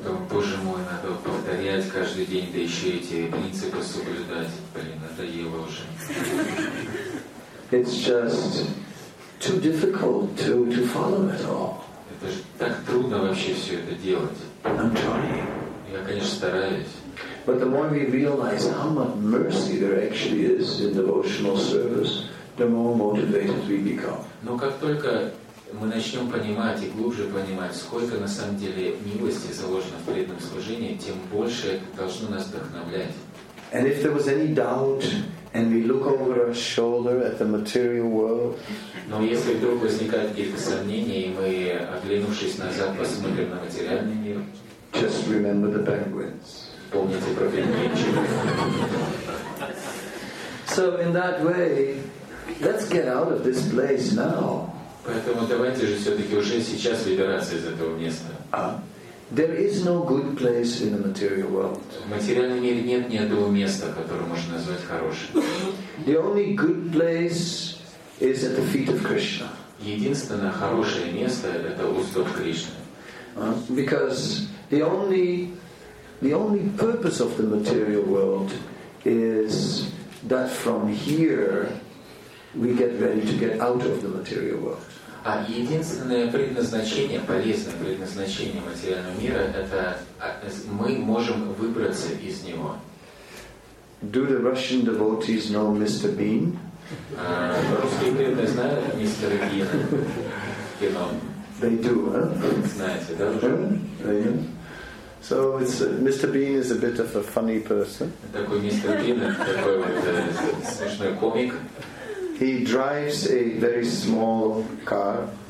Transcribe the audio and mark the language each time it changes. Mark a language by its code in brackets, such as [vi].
[ru] Боже мой, надо повторять каждый день, да еще эти принципы соблюдать. Блин, надоело уже. [en] It's just too difficult to follow it all. [ru] Это же так трудно вообще все это делать. [en] I'm trying. [ru] Я, конечно, стараюсь. [en] But the more we realize how much mercy there actually is in devotional service, the more motivated we become. [ru] Но как только мы начнем понимать и глубже понимать, сколько на самом деле милости заложено в преданном служении, тем больше это должно нас вдохновлять. [en] And if there was any doubt, and we look over our shoulder at the material world. [ru] Но если вдруг возникают какие-то сомнения и мы, оглянувшись назад, посмотрим на материальный мир. [en] Just remember the penguins. [ru] Помните про пингвинчиков. [en] So in that way, let's get out of this place now. [ru] Поэтому давайте же все-таки уже сейчас выбираться из этого места. [en] There is no good place in the material world. [ru] В материальном мире нет ни одного места, которое можно назвать хорошим. [en] The only good place is at the feet of Krishna. [ru] Единственное хорошее место — это у стоп Кришны. [en] Because the only purpose of the material world is that from here we get ready to get out of the material world. [ru] А единственное предназначение, полезное предназначение материального мира — это мы можем выбраться из него. [en] Do the Russian devotees know Mr. Bean? [ru] Русские преданные знают мистера Бина? Кино. [en] They do, huh? [ru] Знаете, да, уже? [en] They do. So it's Mr. Bean is a bit of a funny person. [ru] Такой мистер Бин — такой вот смешной комик. He drives a very small car.